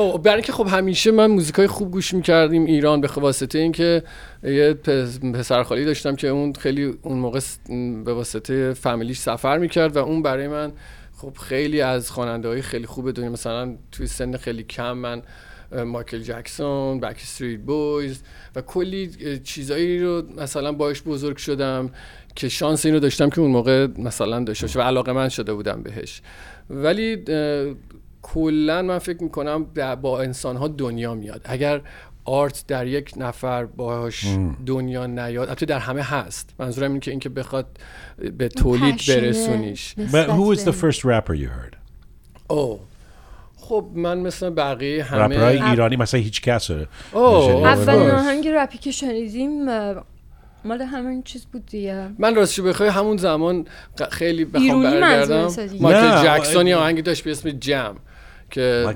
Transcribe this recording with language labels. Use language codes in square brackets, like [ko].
[fa] برای اینکه خب همیشه من موزیکای خوب گوش میکردیم ایران، به واسطه اینکه یه پسرخالی داشتم که اون خیلی اون موقع به واسطه فامیلیش سفر میکرد و اون برای من خب خیلی از خواننده‌های خیلی خوب دنیا، مثلا توی سن خیلی کم من مایکل جکسون، بک استریت بویز و کلی چیزایی رو مثلا باهاش بزرگ شدم که شانس اینو داشتم که اون موقع مثلا داشتش و علاقه من شده بودم بهش. ولی کلا من فکر میکنم با انسان‌ها دنیا میاد، اگر آرت در یک نفر باهاش دنیا نیاد، البته در همه هست، منظورم اینه که اینکه بخواد به تولید برسونیش. [en] But who is the first rapper you heard? [fa] Oh. خب من مثلا بقیه همه رپرای ایرانی مثلا هیچ کس اول آهنگ رپی که شنیدیم مال همین چیز بود دیگه. من راستش بخوای همون زمان خیلی بخوام برگردم، مایکل جکسون یه آهنگی داشت به اسم جم که